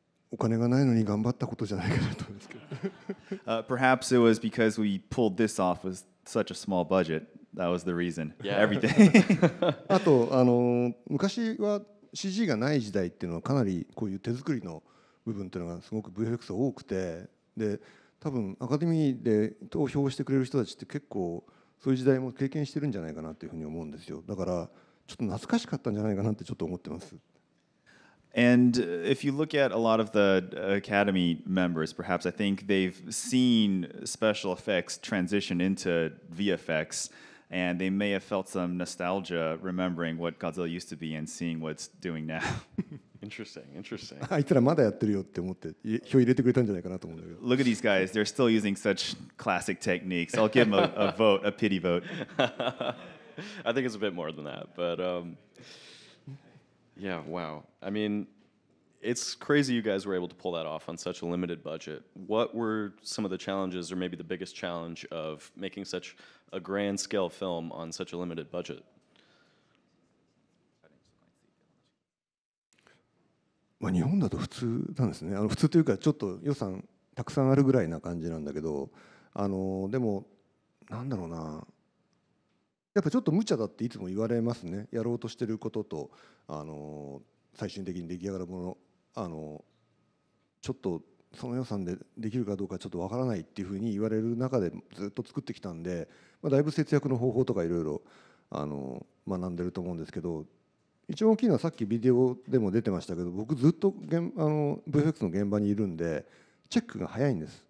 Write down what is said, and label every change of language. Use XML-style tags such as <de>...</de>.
<ja>お金がないのに頑張ったことじゃないかなと思うんですけど。</ja> <en>Perhaps it was because we pulled this off with such a small budget. That was the reason. Yeah, everything.</en> <ja>あと、昔は CG がない時代っていうのはかなりこういう手作りの部分っていうのがすごく VFX 多くて、で、多分アカデミーで投票してくれる人たちって結構そういう時代も経験してるんじゃないかなっていうふうに思うんですよ。だからちょっと懐かしかったんじゃないかなってちょっと思ってます。</ja> <en>And if you look at a lot of the Academy members, perhaps I think they've seen special effects transition into VFX, and they may have felt some nostalgia remembering what Godzilla used to be and seeing what's doing now. Interesting.</en> <ja>あいつらまだやってるよって思って票入れてくれたんじゃないかなと思うんだけど。</ja> <en>Look at these guys. They're still using such classic techniques. I'll give them a vote, a pity vote. I think it's a bit more than that, but... Yeah, wow. I mean, it's crazy you guys were able to pull that off on such a limited budget. What were some of the challenges, or maybe the biggest challenge of making such a grand scale film on such a limited budget?</en> <ja>まあ日本だと普通なんですね。普通というかちょっと予算たくさんあるぐらいな感じなんだけど、でもなんだろうな。やっぱちょっと無茶だっていつも言われますね。やろうとしてることと最終的に出来上がるものちょっとその予算でできるかどうかちょっとわからないっていうふうに言われる中でずっと作ってきたんで、まあ、だいぶ節約の方法とかいろいろ学んでると思うんですけど、一番大きいのはさっきビデオでも出てましたけど、僕ずっと VFX の現場にいるんでチェックが早いんです。</ja>